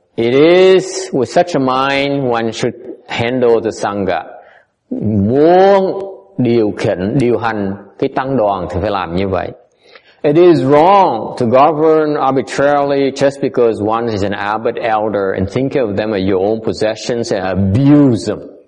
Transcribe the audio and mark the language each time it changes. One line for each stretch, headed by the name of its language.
English: It is with such a mind one should handle the sangha.
Vietnamese: Muốn điều khiển, điều hành cái tăng đoàn thì phải làm như vậy.
English: It is wrong to govern arbitrarily just because one is an abbot elder and think of them as your own possessions and abuse them.